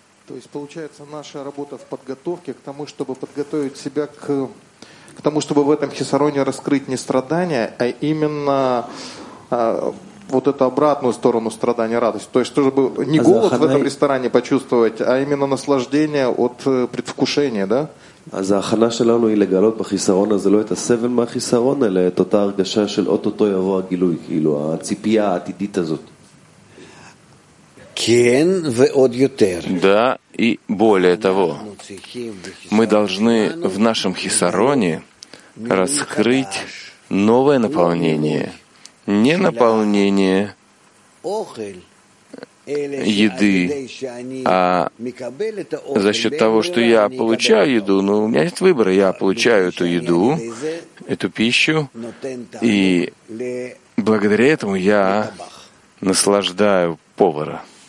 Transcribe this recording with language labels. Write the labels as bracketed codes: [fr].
[ru] То есть, получается, наша работа в подготовке к тому, чтобы подготовить себя к тому, чтобы в этом хисароне раскрыть не страдания, а именно вот эту обратную сторону страдания, радость. То есть, чтобы не голод в этом ресторане почувствовать, а именно наслаждение от предвкушения, да? [he] אז ההכנה שלנו היא לגלות בחיסרון הזה לא את הסבל מהחיסרון, אלא את אותה הרגשה של אוטוטו יבוא הגילוי, כאילו הציפייה העתידית הזאת. כן, ועוד יותר. [ru] Да, и более того, мы должны в нашем хисароне раскрыть новое наполнение. Не наполнение еды, а за счет того, что я получаю еду, но у меня есть выбор, я получаю эту еду, эту пищу, и благодаря этому я наслаждаю повара.